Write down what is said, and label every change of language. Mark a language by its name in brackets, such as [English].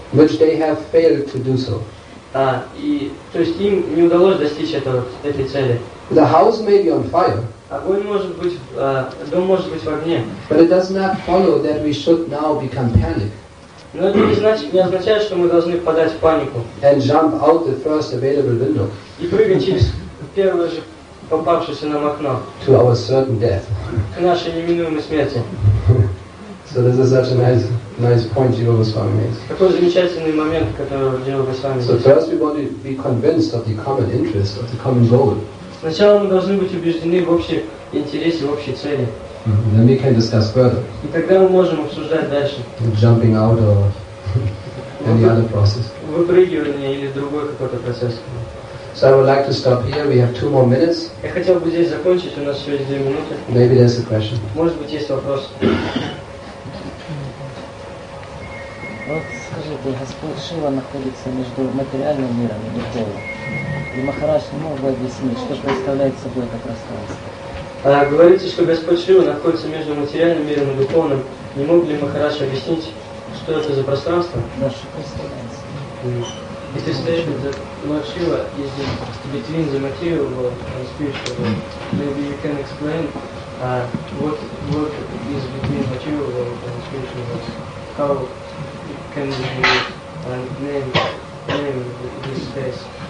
[English] Which they have failed to do so. [Russian] И то есть им не удалось достичь этой цели. [English] The house may be on fire. [Russian] Огонь может быть, дом может быть в огне. [English] But it does not follow that we should now become panic. [Russian] Но это не означает, что мы должны впадать в панику. [English] And jump out the first available window. [Russian] И прыгать через первое же попавшееся нам окно. [English] To our certain death. [Russian] К нашей неминуемой смерти. [English] So this is such a nice point Jiva Goswami makes. [Russian] Какой замечательный момент, который Jiva Goswami. [English] So first we want to be convinced of the common interest, of the common goal. [Russian] Сначала мы должны быть убеждены в общем интересе, в общей цели. Mm-hmm. [English] Then we can discuss further. [Russian] И тогда мы можем обсуждать дальше. [English] Jumping out or any other process. [Russian] Выпрыгивание или другой какой-то процесс. [English] So I would like to stop here. We have two more minutes. [Russian] Я хотел бы здесь закончить. У нас всего есть 2 минуты. [English] Maybe there's a question. [Russian] Может быть, есть вопрос. Вот скажите, Господь Шива находится между материальным миром и духовным. И Махарадж не мог бы объяснить, что представляет собой это пространство. Говорится, что Господь Шива находится между материальным миром и духовным. Не мог ли Махарадж объяснить, что это за пространство? Да, что представляется. И ты стоишь за [English] Lord Shiva, [Russian] есть [English] between the material world and spiritual world. Maybe you can explain what is between material world and spiritual world. How it can be and name this space.